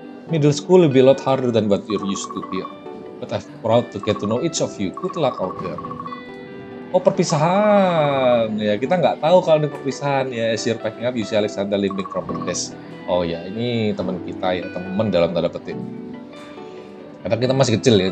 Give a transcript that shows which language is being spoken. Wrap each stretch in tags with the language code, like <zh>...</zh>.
<en>Middle school will be a lot harder than what you're used to here, but I'm proud to get to know each of you. Good luck out there.</en> <id>Oh, perpisahan ya, kita nggak tahu kalau ini perpisahan ya.</id> <en>As you're packing up, you see Alexander leaving from the desk.</en> <id>Oh ya, ini teman kita ya, teman dalam tanda petik, karena kita masih kecil ya.</id>